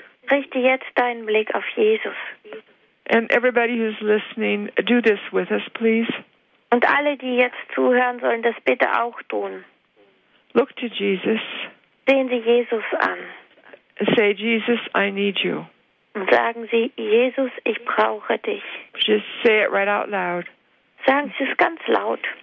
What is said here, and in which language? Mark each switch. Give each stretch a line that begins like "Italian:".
German: Richte jetzt deinen Blick auf Jesus.
English: And everybody who's listening, do this with us, please.
German: Und alle, die jetzt zuhören, sollen das bitte auch tun.
English: Look to Jesus.
German: Sehen Sie Jesus an.
English: Say, Jesus, I need you.
German: Und sagen Sie, Jesus, ich brauche dich.
English: Just say it right out loud.
German: Sagen Sie es ganz laut.